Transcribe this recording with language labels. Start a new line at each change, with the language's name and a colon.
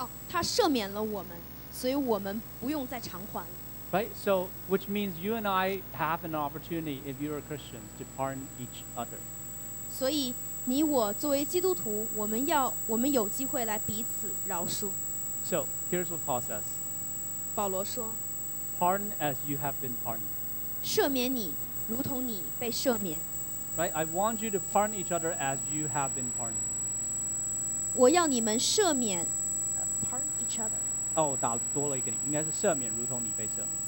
Chinese: 他赦免了我们，所以我们不用再偿还。
English: Right? So, which means you and I have an opportunity, if you're a Christian, to pardon each other.
Chinese: 所以你我作为基督徒，我们有机会来彼此饶恕。
English: So, here's what Paul says.
Chinese: 保罗说，
English: Pardon as you have been pardoned.
Chinese: 赦免你，如同你被赦免。
English: Right? I want you to pardon each other as you have been pardoned.
Chinese: 我要你们赦免
English: pardon each other.
Chinese: 哦，打多了一个你，应该是赦免，如同你被赦免。